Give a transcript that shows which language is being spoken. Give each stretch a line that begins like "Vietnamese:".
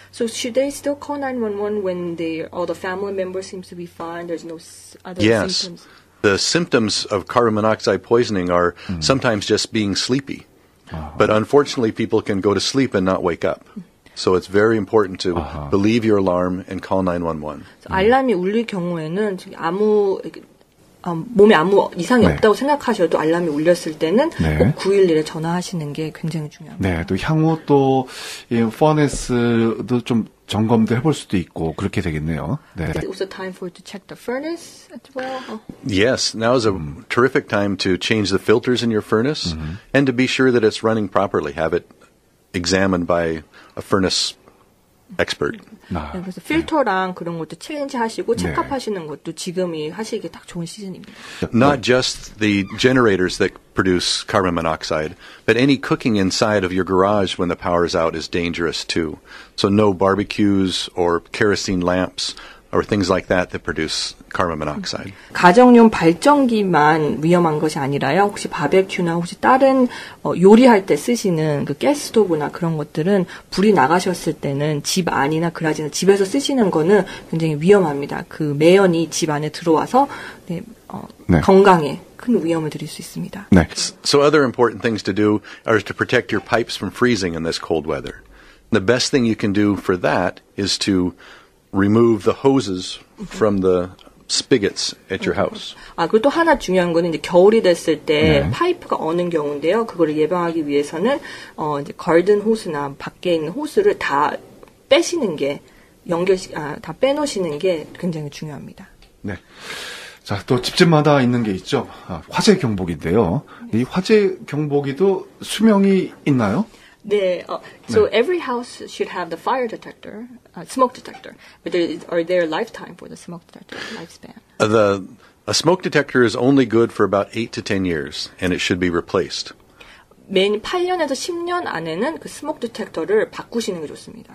English: So should they still call 911 when the family member seems to be fine? There's no other yes. symptoms. The symptoms of carbon monoxide poisoning are sometimes just being sleepy. 아. But unfortunately people can go to sleep and not wake up. So it's very important to believe your alarm and call 911.
Korean: 알람이 울릴 경우에는 아무 몸에 아무 이상이 네. 없다고 생각하셔도 알람이 울렸을 때는 네. 꼭 911에 전화하시는 게 굉장히 중요합니다. 네, 또 향후 또 furnace도 좀 점검도 해볼 수도 있고 그렇게 되겠네요. 네.
English: Is it also time for to check the furnace as well? Oh. Yes, now is a terrific time to change the filters in your furnace and to be sure that it's running properly. Have it examined by a furnace expert.
Korean: 아, 네, 그래서 필터랑 네. 그런 것도 체인지 하시고 체크업 네. 하시는 것도 지금이 하시기 딱 좋은 시즌입니다.
English: Not just the generators that produce carbon monoxide, but any cooking inside of your garage when the power is out is dangerous too. So no barbecues or kerosene lamps or things like that that produce carbon monoxide.
Korean: 가정용 발전기만 위험한 것이 아니라요. 혹시 바베큐나 혹시 다른 요리할 때 쓰시는 그 가스토브나 그런 것들은 불이 나가셨을 때는 집 안이나 그라지나 집에서 쓰시는 거는 굉장히 위험합니다. 그 매연이 집 안에 들어와서 네, 네. 건강에 큰 위험을 드릴 수 있습니다. 네.
English: So other important things to do are to protect your pipes from freezing in this cold weather. The best thing you can do for that is to remove the hoses from the spigots at your house.
Korean: 아, 그리고 또 하나 중요한 거는 이제 겨울이 됐을 때 네. 파이프가 어는 경우인데요. 그거를 예방하기 위해서는 이제 garden hose나 밖에 있는 호스를 다 빼시는 게 다 빼놓으시는 게 굉장히 중요합니다. 네. 자, 또 집집마다 있는 게 있죠. 아, 화재 경보기인데요. 이 화재 경보기도 수명이 있나요? 네, so 네.
English: every house should have the fire detector, smoke detector. But are there a lifetime for the smoke detector, lifespan? A smoke detector is only good for about 8 to 10 years, and it should be replaced.
Korean: 맨 8년에서 10년 안에는 그 smoke detector를 바꾸시는 게 좋습니다.